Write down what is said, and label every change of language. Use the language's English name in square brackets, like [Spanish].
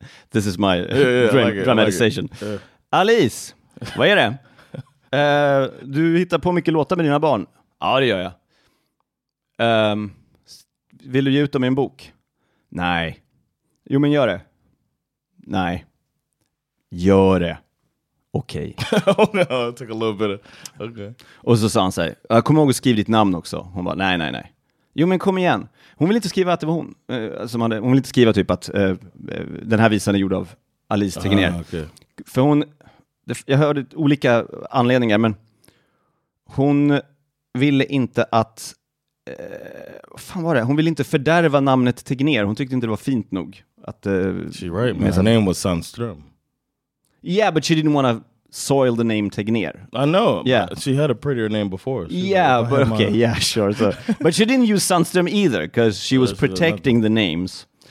[English] This is my dramatization. [Swedish] Alice, vad är det? Du hittar på mycket låtar med dina barn. Ja, det gör jag. Vill du ge ut dem i en bok? Nej. Jo, men gör det. Nej. Gör det. Okej. [English] Okay. Oh no, I took a little bit of... Okay. [Swedish] Och så sa han så här, jag kommer ihåg att skriva ditt namn också. Hon bara, nej, nej, nej. Jo, men kom igen. Hon vill inte skriva att det var hon. Hon vill inte skriva typ att den här visan är gjord av Alice Tegner. Okay. För hon... Jag hörde olika anledningar, men... Hon ville inte att... vad fan var det? Hon ville inte fördärva namnet Tegner. Hon tyckte inte det var fint nog. Att, [English] she right, man. Her name was Sandström. Yeah, but she didn't want to soil the name Tegner. I know. Yeah. She had a prettier name before. She yeah, like, but okay. Yeah, sure. So. But she didn't use Sandström either because she was protecting the names.